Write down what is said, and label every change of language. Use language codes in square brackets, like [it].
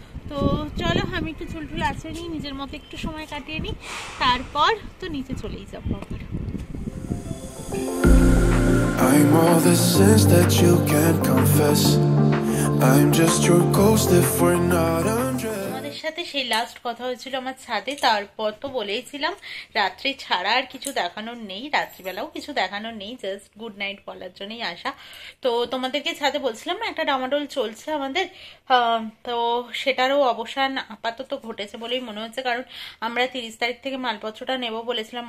[bn] তো চলো আমি একটু চুল টুল আছে নিই, নিজের মতো একটু সময় কাটিয়ে নিই, তারপর তো নিচে চলেই যাবো আবার। [en] I'm all the sins that you can't confess, I'm just your ghost if we're not সাথে। [bn] সেই লাস্ট কথা হয়েছিল আমার ছাদে, তারপর তো বলেইছিলাম রাত্রি ছাড়া আর কিছু দেখানোর নেই, রাত্রিবেলাও কিছু দেখানোর নেই, জাস্ট গুড নাইট বলার জন্যই আসা। তো তোমাদেরকে ছাদে বলছিলাম না একটা ডামাডোল চলছে আমাদের, তো সেটারও অবসান আপাতত ঘটেছে বলেই মনে হচ্ছে, কারণ আমরা 30 তারিখ থেকে মালপত্রটা নেবো বলেছিলাম।